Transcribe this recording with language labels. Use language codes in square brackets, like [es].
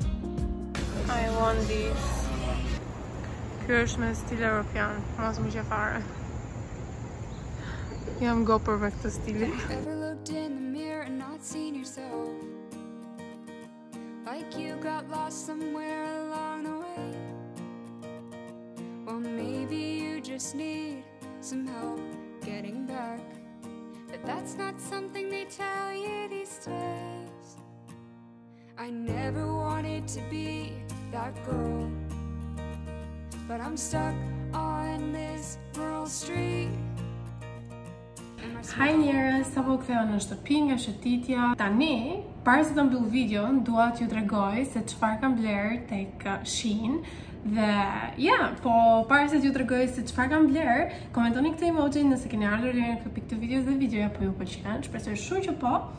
[sq] Kjo është me stil europian, mos më që fare. Jam gopër me këtë stilin. [en] Ever looked in the mirror and not seen yourself? Like you got lost somewhere along the way. Well, maybe you just need some help getting back. But that's not something they tell you these days. I never wanted to be that girl, but I'm stuck on this rural street. [sq] Hi njerës, sa po ktheva në shtëpi nga shëtitja. Tani, para se të mbyll videon, dua t'ju tregoj se çfarë kam bler tek Shein. Dhe, yeah, po para se t'ju tregoj se çfarë kam bler, komentoni këtë emoji nëse keni ardhur deri në këtë pikë të videos dhe videoja po ju pëlqen. Shpresoj shumë që po.